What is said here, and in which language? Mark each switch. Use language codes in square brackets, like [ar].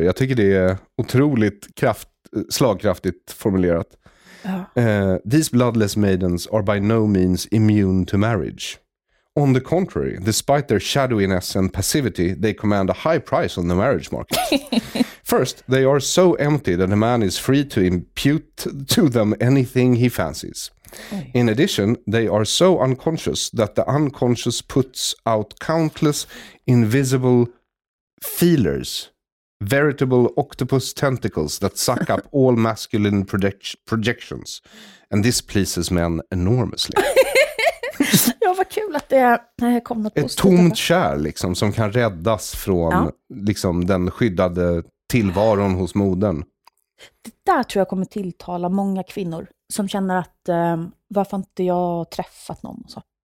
[sv] Jag tycker det är otroligt slagkraftigt formulerat. [en] These bloodless maidens are by no means immune to marriage. On the contrary, despite their shadowiness and passivity, they command a high price on the marriage market. First, they are so empty that a man is free to impute to them anything he fancies. In addition, they are so unconscious that the unconscious puts out countless invisible feelers, veritable octopus tentacles that suck up all masculine projections. And this pleases men enormously. [sv] Ja, vad kul att det kom något positivt. Ett tomt kär liksom, som kan räddas från liksom, den skyddade tillvaron hos modern. Det där tror jag kommer tilltala många kvinnor som känner att varför inte jag träffat någon? Och så.